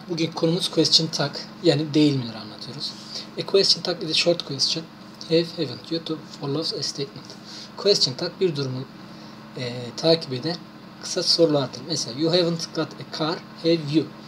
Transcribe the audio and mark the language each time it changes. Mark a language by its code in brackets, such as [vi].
[tr] Bugün konumuz question tag, yani değil midir anlatıyoruz. [en] A question tag is a short question. Have, haven't you to follow a statement. [tr] Question tag bir durumu takip eden kısa sorulardır. [en] Mesela you haven't got a car, have you?